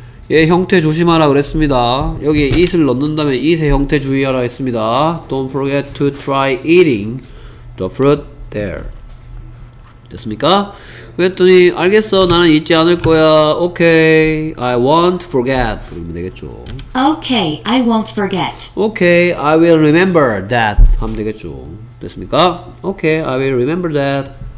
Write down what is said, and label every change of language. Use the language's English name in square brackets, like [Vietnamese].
[Korean] 얘 형태 조심하라 그랬습니다. 여기에 it을 넣는다면 it의 형태 주의하라 했습니다. [English] Don't forget to try eating the fruit there. [Korean] 됐습니까? 그랬더니 알겠어 나는 잊지 않을 거야. [English] Okay, I won't forget. [Korean] 그러면 되겠죠. [English] Okay, I won't forget. Okay, I will remember that. [Korean] 하면 되겠죠. 됐습니까? [English] Okay, I will remember that.